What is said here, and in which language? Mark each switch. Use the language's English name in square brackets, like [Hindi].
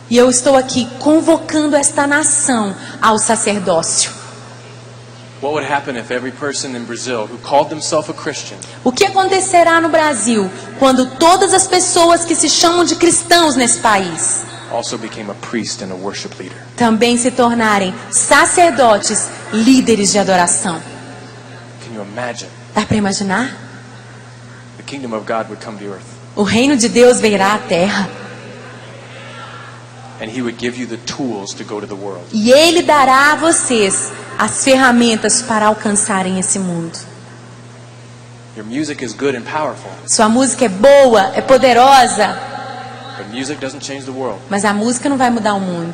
[Portuguese] E eu estou aqui convocando esta nação ao sacerdócio. [English] What would happen if every person in Brazil who called themselves a Christian? [Portuguese] O que acontecerá no Brasil quando todas as pessoas que se chamam de cristãos nesse país [English] also became a priest and a worship leader? [Portuguese] Também se tornarem sacerdotes, líderes de adoração. [English] Can you imagine? [Portuguese] Dá para imaginar? [English] The kingdom of God would come to earth. [Portuguese] O reino de Deus virá à terra. [English] And he would give you the tools to go to the world. [Portuguese] E ele dará a vocês as ferramentas para alcançarem esse mundo. [English] Your music is good and powerful. [Portuguese] Sua música é boa, é poderosa. [English] But music doesn't change the world. [Portuguese] Mas a música não vai mudar o mundo.